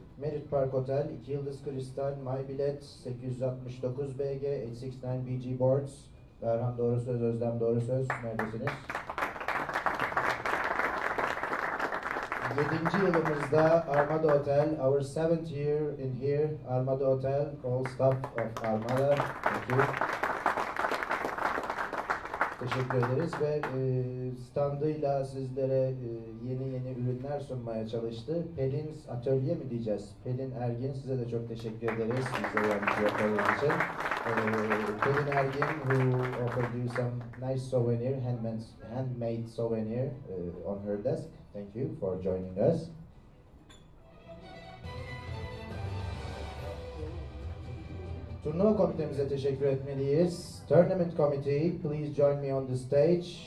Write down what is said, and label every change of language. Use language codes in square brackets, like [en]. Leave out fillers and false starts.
[tr] Merit Park Hotel, 2 Yıldız Kristal, My Bilet, 869 BG, 869 BG Boards, Berhan Doğrusöz, Özlem Doğrusöz, neredesiniz? 7. [en] yılımızda Armada Hotel, our 7th year in here, Armada Hotel, all staff of Armada, thank you. [tr] Teşekkür ederiz ve standıyla sizlere yeni yeni ürünler sunmaya çalıştı. Pelin Atölye mi diyeceğiz? Pelin Ergin, size de çok teşekkür ederiz bize yardımcı yapmanız için. [en] Pelin Ergin, who offered you some nice souvenir, handmade souvenir on her desk. Thank you for joining us. [tr] Turnuva komitemize teşekkür etmeliyiz. [en] Tournament committee, please join me on the stage.